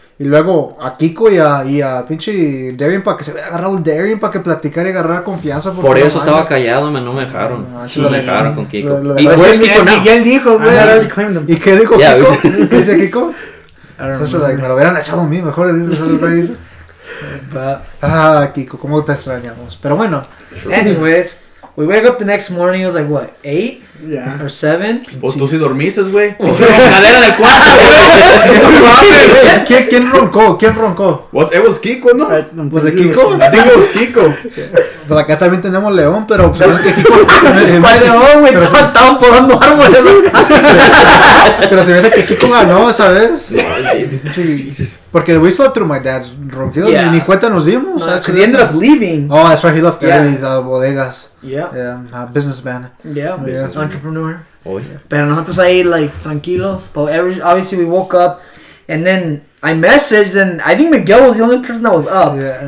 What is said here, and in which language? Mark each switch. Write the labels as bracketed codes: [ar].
[es] Y luego a Kiko y a pinche Darien para que se hubiera agarrado Darien para que platicara y agarrara confianza. Por eso estaba callado, no me dejaron. Sí, lo dejaron con Kiko. Miguel dijo, güey. ¿Y qué dijo Kiko? ¿Qué dice Kiko? Entonces, me lo hubieran echado a mí, mejor dice eso. Kiko, cómo te extrañamos. Pero bueno. [en] Anyways, we wake up the next morning, it was like, what, 8? Yeah. Or 7? [es] ¿Vos tú sí dormiste, güey? ¡Cadera del cuarto, güey! ¿Quién roncó? [en] Was Kiko, ¿no? ¿Was Kiko? Digo, was Kiko. [es] Pero acá también tenemos León, pero... ¿Cuál León, güey? Estaban podando árboles. Pero se me hace que Kiko ganó, ¿sabes? Porque [en] we slept through my dad's [es] ronquido. Ni cuenta nos dimos. [en] Because he ended up leaving. Oh, that's right. He left early. [es] Bodegas. [en] Yeah. Yeah. Businessman. Yeah. Entrepreneur. Oh, yeah. [es] Pero nosotros ahí, [en] like, tranquilos. But obviously, we woke up. And then I messaged, and I think Miguel was the only person that was up. Yeah.